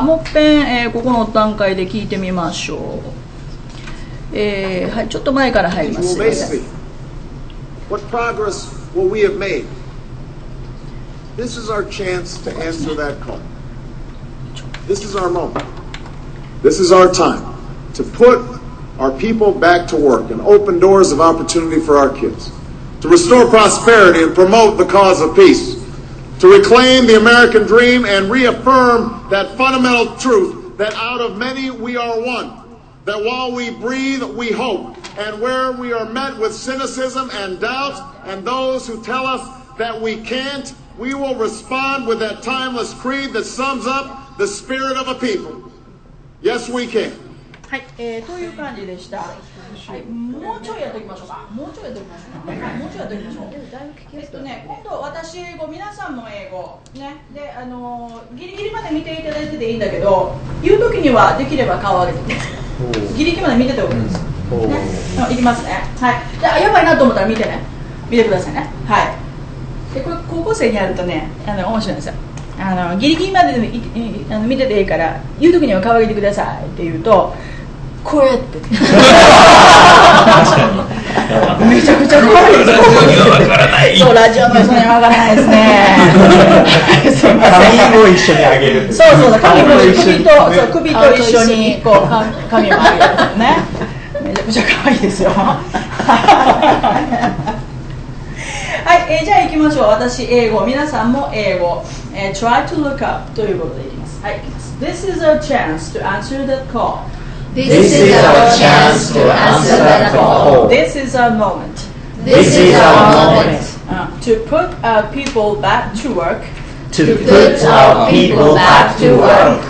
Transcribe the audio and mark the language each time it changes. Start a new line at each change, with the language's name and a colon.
Japanese: もっぺん、ここの段階で聞いてみましょう。はい、ちょっと前から入ります。
English: What progress will we have made? This is our chance to answer that call. This is our moment. This is our time to put. Our people back to work and open doors of opportunity for our kids. To restore prosperity and promote the cause of peace. To reclaim the American dream and reaffirm that fundamental truth that out of many we are one. That while we breathe, we hope. And where we are met with cynicism and doubt and those who tell us that we can't, we will respond with that timeless creed that sums up the spirit of a people. Yes, we can.
Japanese: はい、という感じでした、はい、もうちょいやっておきましょうかもうちょいやっておきましょうか、はい、もうちょいやっておきましょう、ね、今度私英語、皆さんも英語、ね、でギリギリまで見ていただいてていいんだけど言うときにはできれば顔を上げてギリギリまで見てておくんです、ね、いきますね、はい、じゃあやばいなと思ったら見てね見てくださいね、はい、でこれ高校生にやるとね面白いんですよギリギリまで見てていいから言うときには顔上げてくださいって言うとこうやって確かにめちゃくちゃ怖いラジオには分からないそうラジオには分からないですねすいません髪を一緒に上げるそうそう髪を一緒に首と一緒にこう髪を上げるねめちゃくちゃ可愛いですよはい、じゃあ行きましょう私英語皆さんも英語
English: try to look up
Japanese: ということでいきます。はい、行きます。
English: This is our chance to answer that call. This is our chance to answer that call. This is our moment. This is our moment. To put our people back to work. To put our people back to work.